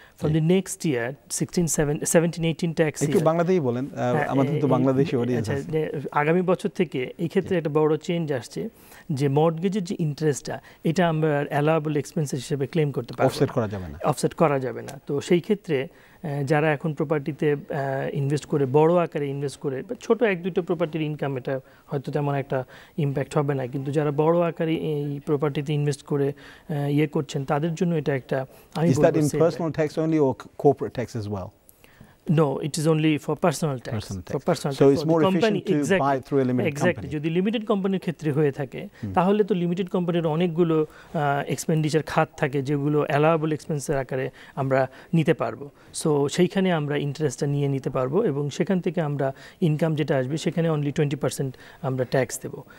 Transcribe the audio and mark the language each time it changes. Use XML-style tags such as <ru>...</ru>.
<en>From the next year, 17-18 tax year.</en> <bn>একটু বাংলাতেই বলেন, আমাদের তো বাংলাদেশি অডিয়েন্স আছে। আগামী বছর থেকে এই ক্ষেত্রে একটা বড় চেঞ্জ আসছে, যে মর্টগেজের যে ইন্টারেস্টটা এটা আমরা অ্যালাওয়েবল এক্সপেন্সেস হিসেবে ক্লেম করতে পারব, অফসেট করা যাবে না, অফসেট করা যাবে না। তো সেই ক্ষেত্রে যারা এখন প্রপার্টিতে ইনভেস্ট করে, বড় আকারে ইনভেস্ট করে, বা ছোটো এক দুটো প্রপার্টির ইনকাম, এটা হয়তো তেমন একটা ইম্প্যাক্ট হবে না, কিন্তু যারা বড় আকারে এই প্রপার্টিতে ইনভেস্ট করে ইয়ে করছেন, তাদের জন্য এটা একটা, আমি বলবো,</bn> <en>Is that in personal tax only or corporate tax as well? No, it is only for personal tax. So it's more efficient to buy through a limited company. Exactly.</en> <bn>যদি লিমিটেড কোম্পানির ক্ষেত্রে হয়ে থাকে, তাহলে তো লিমিটেড কোম্পানির অনেকগুলো expenditure খাত থাকে যেগুলো অ্যালাওয়েবল এক্সপেন্সের আকারে আমরা নিতে পারবো। সো সেইখানে আমরা ইন্টারেস্টটা নিয়ে নিতে পারবো, এবং সেখান থেকে আমরা ইনকাম যেটা আসবে সেখানে অনলি 20% আমরা ট্যাক্স দেবো।</bn>